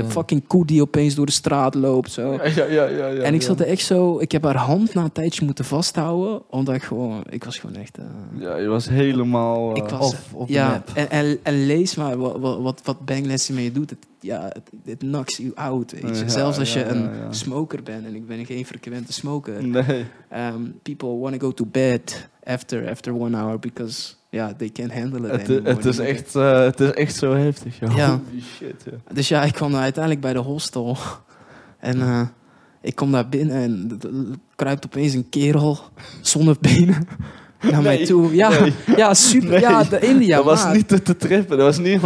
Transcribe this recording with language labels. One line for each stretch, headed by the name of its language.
Dutch: Een fucking koe die opeens door de straat loopt. Zo. En ik zat er echt zo, ik heb haar hand na een tijdje moeten vasthouden. Omdat ik was gewoon echt... Je was helemaal op de map. En lees maar wat bangles je mee doet. Het
English: knocks you out,
Dutch: weet je. Zelfs als je een smoker bent, en ik ben geen frequente smoker. Nee.
English: People want to go to bed after 1 hour, because they can't handle it anymore.
Dutch: Het is echt zo heftig, joh. Ja. Shit, ja. Dus ik kwam uiteindelijk bij de hostel. En ik kom daar binnen en kruipt opeens een kerel zonder benen. Naar mij toe. De India. Dat was niet te trippen. Dat was niet omdat